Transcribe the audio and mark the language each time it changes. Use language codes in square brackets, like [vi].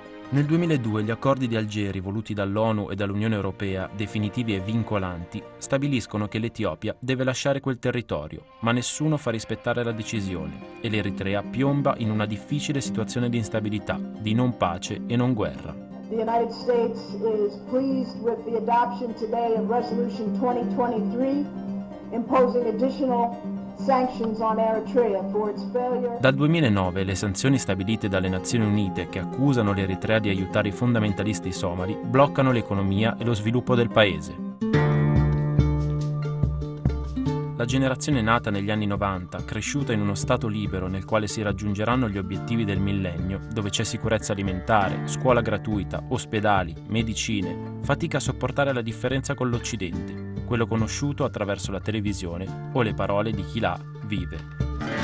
[it] Nel 2002 gli accordi di Algeri, voluti dall'ONU e dall'Unione Europea, definitivi e vincolanti, stabiliscono che l'Etiopia deve lasciare quel territorio, ma nessuno fa rispettare la decisione e l'Eritrea piomba in una difficile situazione di instabilità, di non pace e non guerra. [en] The United States is pleased with the adoption today of Resolution 2023, imposing additional sanctions on Eritrea for its failure. [it] Dal 2009 le sanzioni stabilite dalle Nazioni Unite, che accusano l'Eritrea di aiutare i fondamentalisti somali, bloccano l'economia e lo sviluppo del paese. La generazione nata negli anni 90, cresciuta in uno stato libero nel quale si raggiungeranno gli obiettivi del millennio, dove c'è sicurezza alimentare, scuola gratuita, ospedali, medicine, fatica a sopportare la differenza con l'Occidente, quello conosciuto attraverso la televisione o le parole di chi là vive.